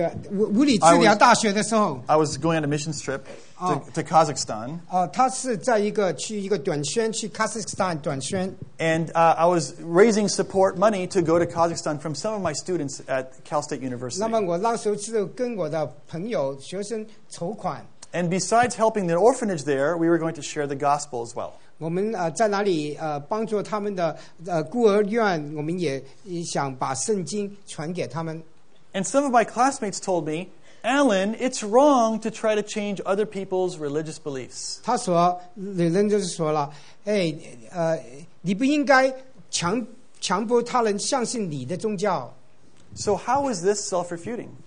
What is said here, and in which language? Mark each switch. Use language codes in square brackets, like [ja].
[en] I was going on a missions trip to Kazakhstan. And I was raising support money to go to Kazakhstan from some of my students at Cal State University. [zh] 那么我那时候是跟我的朋友学生筹款。 [en] And besides helping the orphanage there, we were going to share the gospel as well. [zh] 我们在哪里帮助他们的孤儿院，我们也想把圣经传给他们。 [en] And some of my classmates told me, Alan, it's wrong to try to change other people's religious beliefs. [zh] 他说，理论就是说了，哎，你不应该强迫他人相信你的宗教。 [en] So how is this self-refuting?